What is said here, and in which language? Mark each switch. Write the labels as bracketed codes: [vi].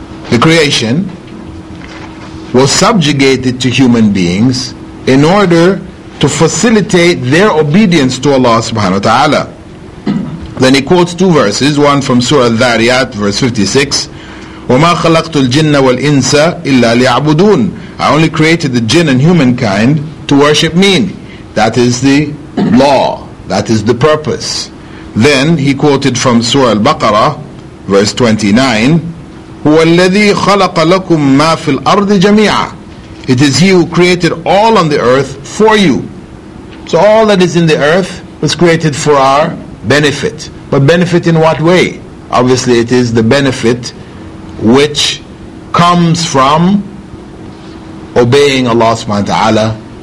[en] The creation was subjugated to human beings in order to facilitate their obedience to Allah subhanahu wa ta'ala. Then he quotes two verses, one from Surah Dhariyat, verse 56, [ar] وَمَا خَلَقْتُ الْجِنَّ وَالْإِنسَ إِلَّا لِيَعْبُدُونَ. [en] I only created the jinn and humankind to worship me. That is the law. That is the purpose. Then he quoted from Surah Al-Baqarah, verse 29, [ar] هو الذي خلق لكم ما في الأرض جميعا. [en] It is he who created all on the earth for you. So all that is in the earth was created for our benefit. But benefit in what way? Obviously it is the benefit which comes from obeying Allah subhanahu wa ta'ala.